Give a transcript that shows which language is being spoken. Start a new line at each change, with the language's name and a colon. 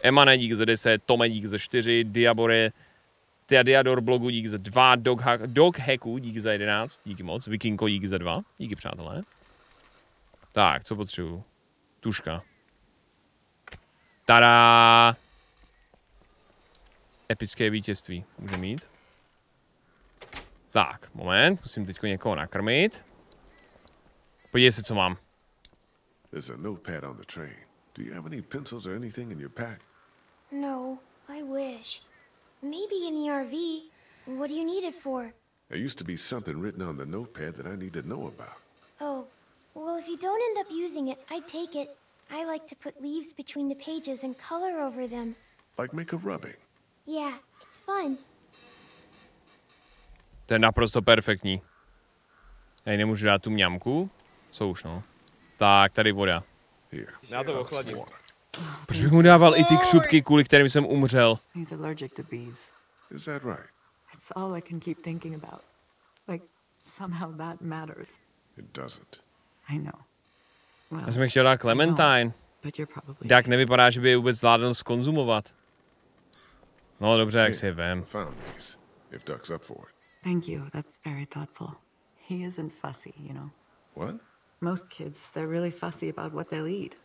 Czech: Emane, díky za 10, Tome, díky za 4, Diabore, Teadiador blogu dík za 2, Dog Hacku dík za 11, díky moc, Vikinko dík za 2, díky přátelé. Tak, co potřebuju? Tuška. Tada! Epické vítězství může mít. Tak, moment, musím teďko někoho nakrmit. Podívej se, co mám.
English: There's a notepad on the train. Do you have any pencils or anything in your pack? No, I wish. Maybe in the RV. What do you need it for? There used to be something written on the notepad that I need to know about. Oh, well, if you don't end up using it, I'd take it. I like to put leaves between the pages and color over them. Like make a rubbing? Yeah, it's fun.
Czech: To je naprosto perfektní. Já nemůžu dát tu mňamku. Co už, no. Tak, tady voda.
English: Here.
Czech: Na to ochladím. Proč bych mu dával i ty křupky, kvůli kterým jsem umřel?
English: He's allergic to bees. Is that right? That's all I can keep thinking about. Like, somehow that matters. It doesn't. I know.
Czech: Well, já jsem chtěl dát Clementine.
English: But you're probably...
Czech: Tak nevypadá, že by je vůbec zvládl skonzumovat. No dobře, jak si je vem.
English: I found these, if Duck's up for it. Thank you, that's very thoughtful. He isn't fussy, you know. What? Most kids, they're really fussy about what they'll eat.